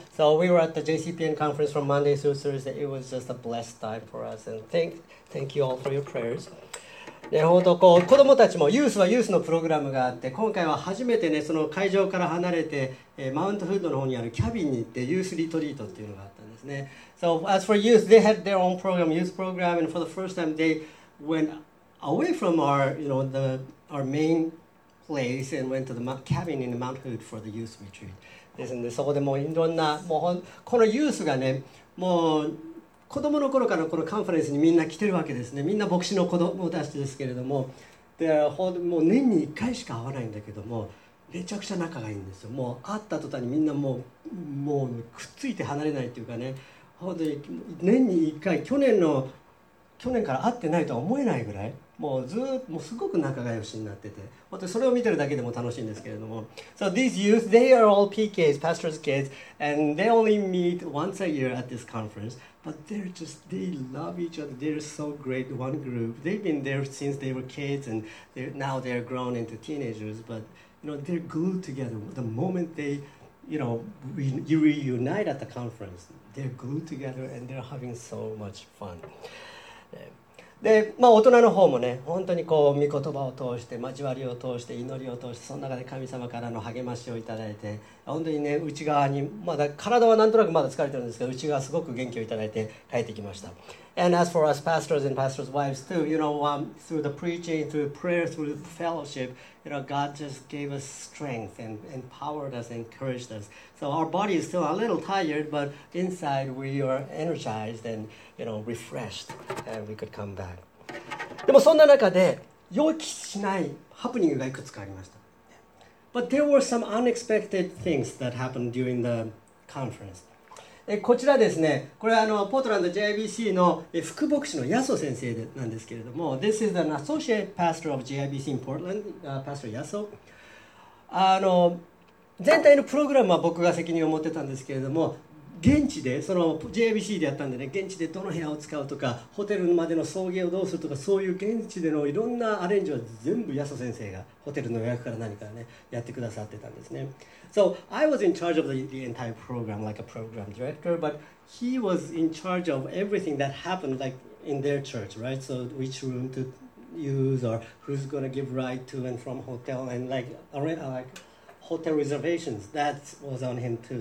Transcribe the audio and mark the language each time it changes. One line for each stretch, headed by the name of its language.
English: So we were at the JCPN conference from Monday through Thursday. It was just a blessed time for us. And thank you all for your prayers.
Japanese: ね、本当こう子どもたちもユースはユースのプログラムがあって、今回は初めて、ね、その会場から離れて、マウントフードの方にあるキャビンに行ってユースリトリートっていうのがあったんですね。
English: So as for youth, they had their own program, youth program, and for the first time they went away from our, you know, the, our main place and went to the cabin in the Mount Hood for the youth retreat.
Japanese: ですので、そこでもういろんなもうこのユースがね、もう子供の頃からこのカンファレンスにみんな来てるわけですね。みんな牧師の子供たちですけれども、でもう年に1回しか会わないんだけども、めちゃくちゃ仲がいいんですよ。もう会った途端にみんなもうくっついて離れないというかね、本当に年に1回、去年から会ってないとは思えないぐらい、もうずっともうすごく仲が良しになってて、本当にそれを見てるだけでも楽しいんですけれども。
English: So these youth, they are all PKs, pastor's kids, and they only meet once a year at this conference. But they're just, they love each other. They're so great, one group. They've been there since they were kids, and now they're grown into teenagers. But, you know, they're glued together. The moment they, you know, reunite at the conference, they're glued together, and they're having so much fun.
Japanese: で、まあ、大人の方もね、本当にこう、御言葉を通して、交わりを通して、祈りを通して、その中で神様からの励ましをいただいて、本当にね、内側に、まだ体はなんとなくまだ疲れてるんですけど、内側すごく元気をいただいて帰ってきました。
English: And as for us pastors and pastors' wives too, you know, through the preaching, through prayer, through the fellowship, you know, God just gave us strength and empowered us, encouraged us. So our body is still a little tired, but inside we are energized and, you know, refreshed, and we could come back.
Japanese: でもそんな中で予期しないハプニングがいくつかありました。
English: But there were some unexpected things that happened during the conference.
Japanese: こちらですね、これはあのポートランド JIBC の副牧師のヤソ先生なんですけれども、
English: This is an associate pastor of JIBC in Portland, Pastor Yaso.
Japanese: 全体のプログラムは僕が責任を持ってたんですけれども、現地で、その JIBC でやったんでね、現地でどの部屋を使うとか、ホテルまでの送迎をどうするとか、そういう現地でのいろんなアレンジは全部ヤソ先生がホテルの予約から何からね、やってくださってたんですね。
English: So I was in charge of the entire program, like a program director, but he was in charge of everything that happened, like in their church, right? So which room to use, or who's going to give ride to and from hotel, and like hotel reservations, that was on him too.